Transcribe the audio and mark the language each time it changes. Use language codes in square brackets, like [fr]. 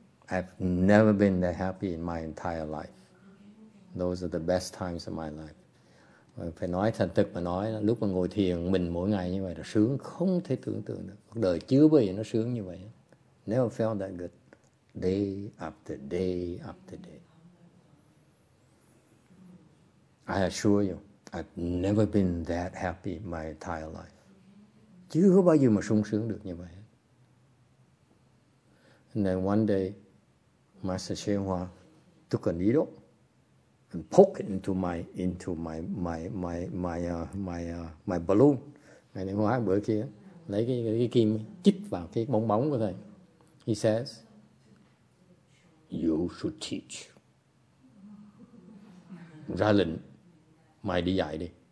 [en] I've never been that happy in my entire life. Those are the best times of my life. [vi] Phải nói thành thực mà nói, lúc mà ngồi thiền mình mỗi ngày như vậy là sướng không thể tưởng tượng được. Cuộc đời chưa bao giờ nó sướng như vậy. [en] Never felt that good. day after day after day. I assure you, I've never been that happy in my entire life. [vi] Chưa bao giờ mà sung sướng được như vậy. [en] And then one day, Master Xie Hua took a needle and poked it into my balloon. [vi] And then Hua bữa kia lấy cái kim chích vào cái bóng bóng của thầy. [en] He says, "You should teach." [vi] Ra lệnh, mày đi dạy đi.